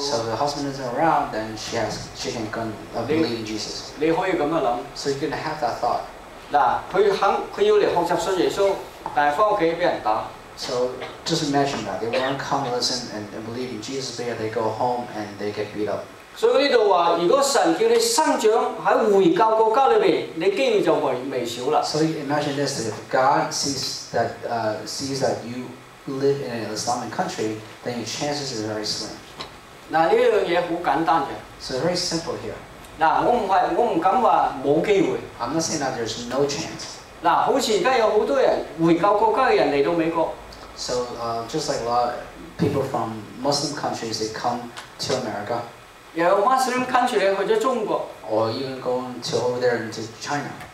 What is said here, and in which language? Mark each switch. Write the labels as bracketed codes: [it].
[en] So the husband isn't around, then she can believe in Jesus。 [yue] 你可以咁樣諗。 [en] So you can have that thought。 [yue] 嗱，佢要嚟學習信耶穌，但係翻屋企俾人打。 [en] So just imagine that they want to come listen and believe in Jesus, but yet they go home and they get beat up. [yue] 所以呢度話，如果神叫你生長喺回教國家裏邊，你機會就微小啦。 [en] So imagine this: if God sees that you live in an Islamic country, then your chances are very slim. [yue] 嗱，呢樣嘢好簡單嘅。 [en] So very simple here. [yue] 嗱，我唔敢話冇機會。 [en] I'm not saying that there's no chance. [yue] 嗱，好似而家有好多人回教國家嘅人嚟到美國。 [en] So, just like a lot of people from Muslim countries, they come to America. [yue] 又有 [en] Muslim country [yue] 去咗中國。 [en] Or even going to over there into China.